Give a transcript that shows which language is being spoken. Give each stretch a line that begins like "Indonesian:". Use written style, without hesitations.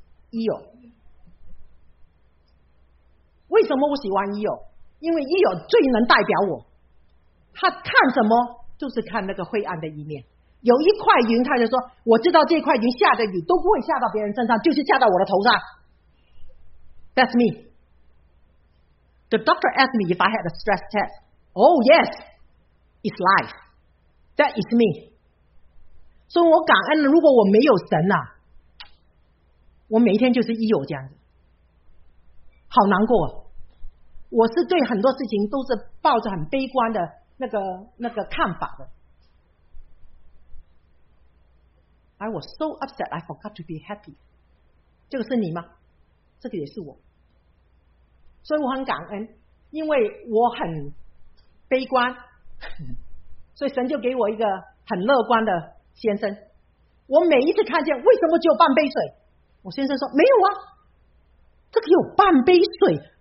Chinese: 伊友，为什么我喜欢伊友？因为伊友最能代表我，他看什么就是看那个灰暗的一面，有一块云他就说我知道这块云下的雨都不会下到别人身上，就是下到我的头上。
English: That's me. The doctor asked me if I had a stress test. Oh yes, it's life. That is me.
Chinese: 所以我感恩，如果我没有神啊，我每一天就是一有这样子，好难过。我是对很多事情都是抱着很悲观的那个看法的。
English: I was so upset I forgot to be happy.
Chinese: 这个是你吗？这个也是我。所以我很感恩，因为我很悲观，所以神就给我一个很乐观的先生。我每一次看见为什么只有半杯水，我先生说没有啊，这个有半杯水。